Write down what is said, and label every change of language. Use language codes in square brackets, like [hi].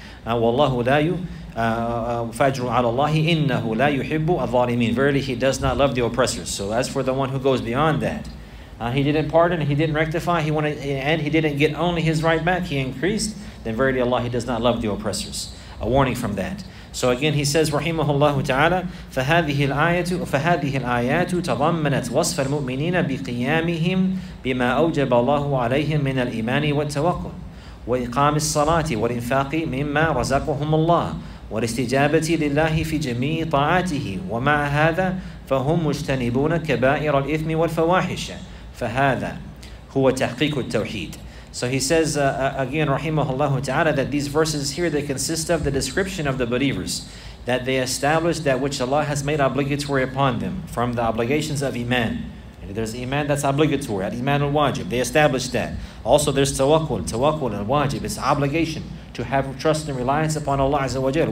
[ar] وَاللَّهُ لَا يُفَأَجْرُ عَلَى اللَّهِ إِنَّهُ لَا يُحِبُّ الظَّالِمِينَ. [en] Verily, he does not love the oppressors. So as for the one who goes beyond that, he didn't pardon, he didn't rectify, he wanted, and he didn't get only his right back, he increased, then verily Allah, he does not love the oppressors. A warning from that. So again, he says, [ar] Rahimahullah ta'ala, فَهَذِهِ الْآيَاتُ تَضَمَّنَتْ وَصْفَ الْمُؤْمِنِينَ بِقِيَامِهِمْ بِمَا أَوْجَبَ اللَّهُ عَلَيْهِمْ مِنَ الْإِيمَانِ وَالتَّوَقُّلِ. وإقام الصلاة والإنفاق مما رزقهم الله والاستجابة لله في جميع طاعاته ومع هذا فهم مجتنبون كبائر الإثم والفواحش فهذا هو تحقيق التوحيد. [en] So he says again, rahimahullah ta'ala, that these verses here, they consist of the description of the believers, that they establish that which Allah has made obligatory upon them from the obligations of iman. And there's iman that's obligatory, al-iman al-wajib, they establish that. Also there's tawakkul, tawakkul al-wajib, it's obligation to have trust and reliance upon Allah azza wa jal.